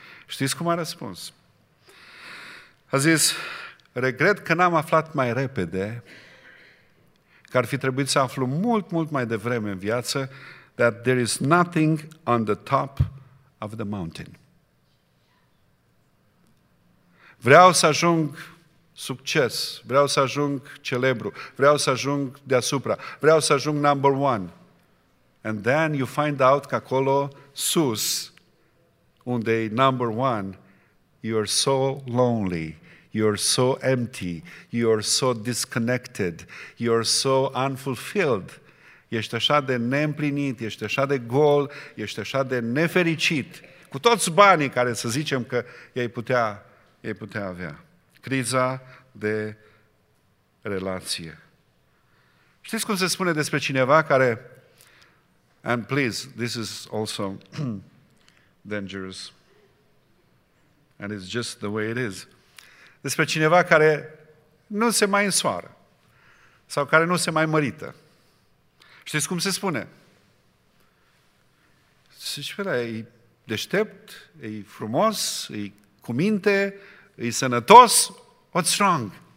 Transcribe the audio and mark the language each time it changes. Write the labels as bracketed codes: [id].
[ro] Știți cum a răspuns? A zis, regret că n-am aflat mai repede că ar fi trebuit să aflu mult, mult mai devreme în viață [en] that there is nothing on the top of the mountain. [ro] Vreau să ajung succes, vreau să ajung celebru, vreau să ajung deasupra, vreau să ajung number one. [en] And then you find out [ro] că acolo, sus, unde e [en] number one, you're so lonely, you're so empty, you're so disconnected, you're so unfulfilled. [ro] Ești așa de neîmplinit, ești așa de gol, ești așa de nefericit, cu toți banii care să zicem că ei putea avea. Criza de relație. Știți cum se spune despre cineva care... [en] And please, this is also dangerous. And it's just the way it is. [ro] Despre cineva care nu se mai însoară sau care nu se mai mărită. Știți cum se spune? Se spune, e deștept, e frumos, e cu minte, e sănătos. [en] What's wrong?